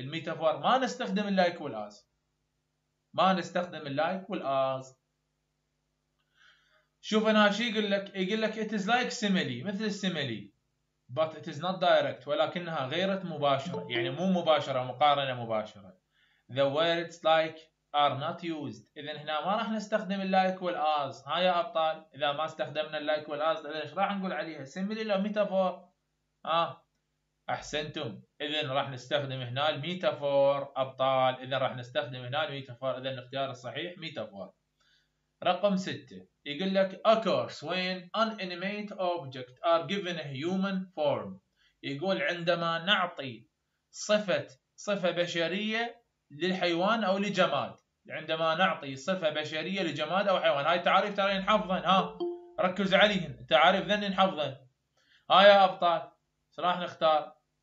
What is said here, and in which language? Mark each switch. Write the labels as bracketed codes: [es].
[ar] الميتافور ما نستخدم اللايك والآز, ما نستخدم اللايك والآز. شوف أنا شي يقول لك, يقول لك [en] it is like simile, [ar] مثل السيميلي, [en] but it is not direct, [ar] ولكنها غير مباشرة, يعني مو مباشرة, مقارنة مباشرة. [en] The words like are not used. [ar] إذن هنا ما راح نستخدم اللايك والآز. هاي يا أبطال إذا ما استخدمنا اللايك والآز إذن إيش راح نقول عليها؟ سيميلي لو ميتافور؟ احسنتم. اذا راح نستخدم هنا الميتافور ابطال, اذا راح نستخدم هنا الميتافور. اذا الاختيار الصحيح ميتافور. رقم ستة يقول لك [en] occurs when inanimate object are given a human form. [ar] يقول عندما نعطي صفة بشرية للحيوان او لجماد. عندما نعطي صفة بشرية لجماد او حيوان, هاي تعريف ترى نحفظهن. ها ركز عليهم تعريف ذن نحفظهن. هاي يا ابطال صراحة نختار.